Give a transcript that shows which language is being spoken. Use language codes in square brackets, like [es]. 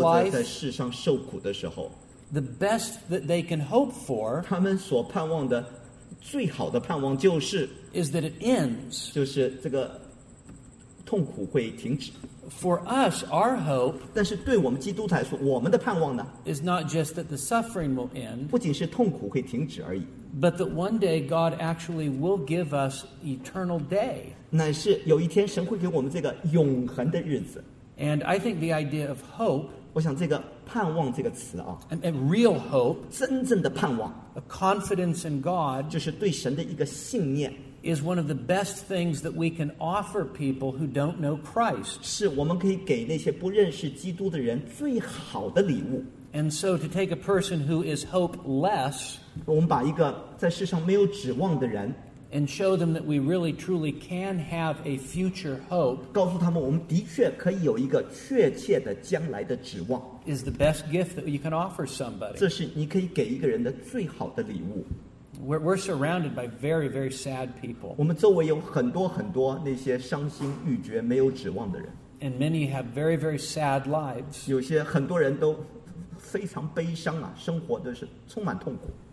[zh] 或者在世上受苦的时候, [en] the best that they can hope for, [zh] 他们所盼望的最好的盼望就是, [en] is that it ends. [zh] 就是这个痛苦会停止。 [en] For us, our hope, [zh] 但是对我们基督徒来说, 我们的盼望呢, [en] is not just that the suffering will end, [zh] 不仅是痛苦会停止而已, [en] but that one day God actually will give us eternal day. [zh] 乃是有一天神会给我们这个永恒的日子。 [en] And I think the idea of hope, [zh] 我想这个盼望这个词啊, [en] and real hope, [zh] 真正的盼望, [en] a confidence in God, [zh] 就是对神的一个信念, [en] is one of the best things that we can offer people who don't know Christ. [zh] 是我们可以给那些不认识基督的人最好的礼物。 [en] And so to take a person who is hopeless, [zh] 我们把一个在世上没有指望的人, [en] and show them that we really truly can have a future hope, [zh] 告诉他们我们的确可以有一个确切的将来的指望, [en] is the best gift that you can offer somebody. [zh] 这是你可以给一个人的最好的礼物。 [en] We're surrounded by very, very sad people. [zh] 我们周围有很多很多那些伤心欲绝没有指望的人。 [en] And many have very, very sad lives. [zh] 有些很多人都非常悲伤啊,生活的是充满痛苦。